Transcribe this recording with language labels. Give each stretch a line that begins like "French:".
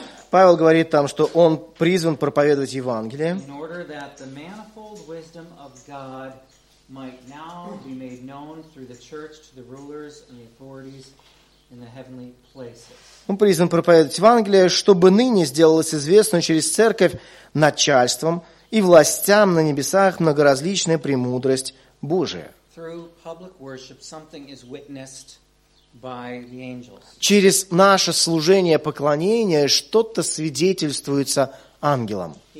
Russian: Павел говорит там, что он призван проповедовать Евангелие,
English: in order that the manifold wisdom of God might now be made known through the church to the rulers and the authorities in the heavenly places.
Russian: Он призван проповедовать Евангелие, чтобы ныне сделалось известно через церковь начальством и властям на небесах многоразличная премудрость Божия.
English: Through public worship something is witnessed by the angels.
Russian: Через наше служение поклонения что-то свидетельствуется ангелам.